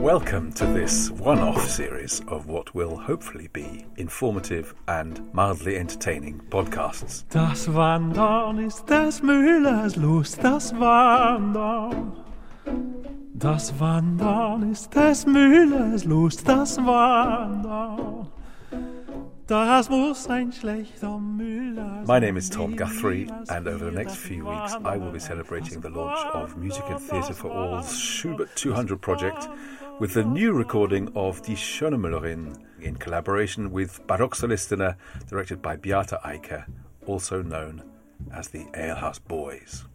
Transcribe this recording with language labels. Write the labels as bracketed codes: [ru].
[en] Welcome to this one-off series of what will hopefully be informative and mildly entertaining podcasts. [de] Das Wandern ist das Müllers Lust, das Wandern. Das Wandern ist des Müllers Lust, das Wandern. Das muss ein schlechter Müller. [en] My name is Tom Guthrie, and over the next few weeks I will be celebrating the launch of Music and Theatre for All's Schubert 200 project with the new recording of Die Schöne Müllerin in collaboration with Baroque Solistina, directed by Beate Eicher, also known as the Alehouse Boys.